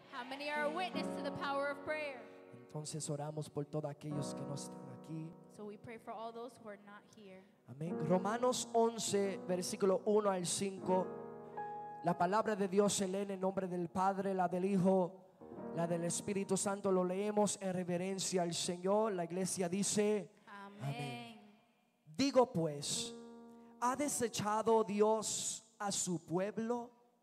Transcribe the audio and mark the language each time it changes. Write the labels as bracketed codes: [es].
[en] How many are a witness to the power of prayer? [es] Entonces oramos por todos aquellos que no están aquí. [en] So we pray for all those who are not here. [es] Amén. Romanos 11, versículo 1 al 5. La palabra de Dios se lee en el nombre del Padre, la del Hijo, la del Espíritu Santo. Lo leemos en reverencia al Señor. La iglesia dice: Amén. Amén. Digo pues, ¿ha desechado Dios a su pueblo?